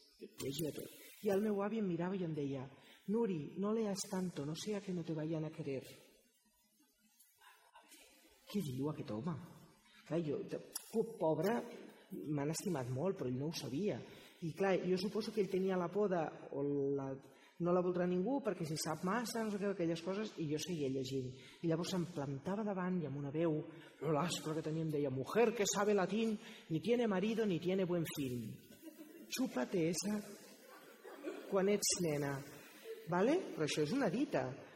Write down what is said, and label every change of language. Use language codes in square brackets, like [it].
[ca] I el meu avi em mirava i em deia: [es] Nuri, no leas tanto, no sea que no te vayan a querer. [ca] Què diu aquest home? Clar, jo, pobre, m'han estimat molt, però ell no ho sabia. I clar, jo suposo que ell tenia la por de... O la, no la voldrà ningú perquè si sap massa, no sé què, aquelles coses, i jo seguia llegint. I llavors em plantava davant i amb una veu, l'aspro que tenia, em deia: [es] mujer que sabe latín, ni tiene marido ni tiene buen fin. [ca] Xupa-te esa quan ets nena. ¿Vale? Però això és una dita.